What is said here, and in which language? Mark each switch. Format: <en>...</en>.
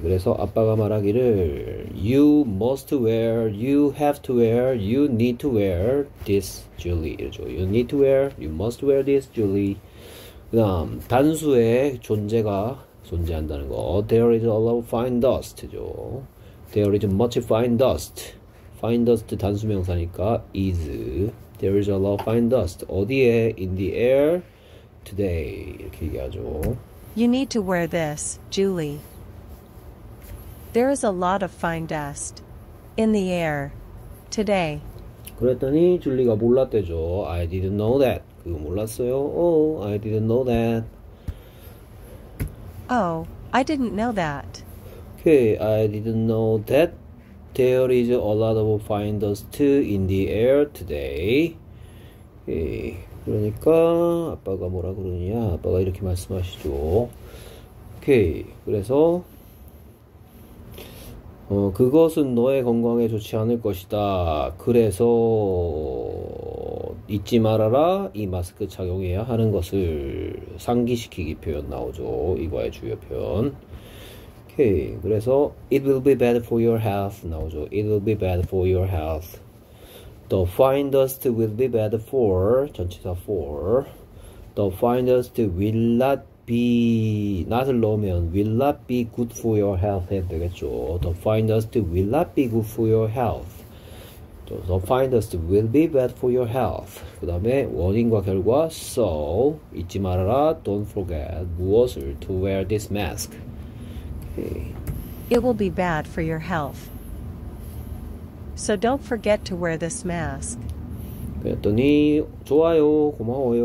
<ko>그래서 아빠가 말하기를</ko> <en>You must wear, you have to wear, you need to wear this, Julie.</en> <ko>이러죠.</ko> <en>You need to wear, you must wear this, Julie.</en> <ko>그 다음 단수의 존재가 존재한다는 거.</ko> <en>There is a lot of fine dust죠. There is much fine dust. Fine dust</en> <ko>단수 명사니까</ko> <en>is. There is a lot of fine dust.</en> <ko>어디에?</ko> <en>In the air today.</en> <ko>이렇게 얘기하죠.</ko> <en>You need to wear this, Julie. There is a lot of fine dust in the air today.</en> <ko>그랬더니 줄리가 몰랐대죠.</ko> <en>I didn't know that.</en> <ko>그거 몰랐어요.</ko> <en>Oh, I didn't know that. Oh, I didn't know that. Okay, I didn't know that there is a lot of fine dust in the air today.</en> <ko>오케이. 그러니까 아빠가 뭐라 그러느냐? 아빠가 이렇게 말씀하시죠. 오케이. 그래서 그것은 너의 건강에 좋지 않을 것이다. 그래서 잊지 말아라. 이 마스크 착용해야 하는 것을 상기시키기 표현 나오죠. 이거의 주요 표현. 오케이. 그래서</ko> <en>it will be bad for your health</en> <ko>나오죠.</ko> <en>It will be bad for your health. The fine dust will be bad for</en> <ko>전치사</ko> <en>for. The fine dust will not be not을 넣으면 will not be good for your health</en> <ko>해야 되겠죠.</ko> <en>The fine dust will not be good for your health. The fine dust will be bad for your health.</en> <ko>그 다음에 원인과 결과 so 잊지 말아라.</ko> <en>Don't forget</en> <ko>무엇을</ko> <en>to wear this mask. It will be bad for your health. So don't forget to wear this mask.</en> <ko>그랬더니 좋아요, 고마워요.</ko>